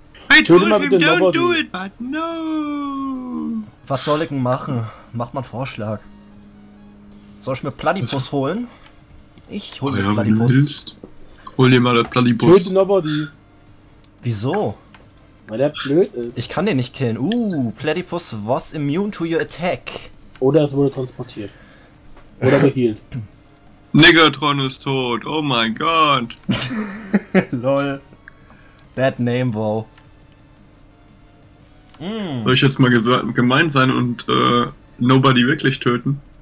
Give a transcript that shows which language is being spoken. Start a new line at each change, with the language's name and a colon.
English: I told him, don't do it, but no.
German: Was soll ich denn machen? Mach mal einen Vorschlag. Soll ich mir Platypus holen? Ich hole mir Platypus. Willst. Hol dir mal den Platypus. Töte nobody. Wieso? Weil der blöd ist. Ich kann den nicht killen.
English: Platypus was immune to your attack.
German: Oder es wurde transportiert. Oder geheilt. Negatron ist tot. Oh mein Gott.
English: Lol. Bad name, bro.
German: Soll ich jetzt mal gemein sein und nobody wirklich töten?